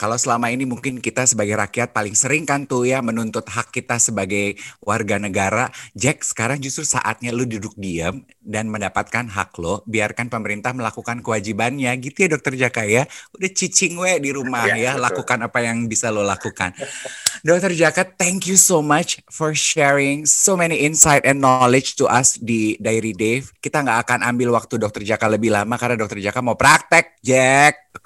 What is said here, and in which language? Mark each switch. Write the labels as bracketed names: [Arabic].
[Indonesian] Kalau selama ini mungkin kita sebagai rakyat paling sering kan tuh ya menuntut hak kita sebagai warga negara, Jack, sekarang justru saatnya lu duduk diam dan mendapatkan hak lo, biarkan pemerintah melakukan kewajibannya, gitu ya Dokter Jaka ya. Udah [Sundanese] cicing we [Indonesian] di rumah ya, lakukan apa yang bisa lo lakukan. [English] Dokter Jaka, thank you so much for sharing so many insight and knowledge to us di Diary Dave. [Indonesian] Kita gak akan ambil waktu Dokter Jaka lebih lama karena Dokter Jaka mau praktek, Jack.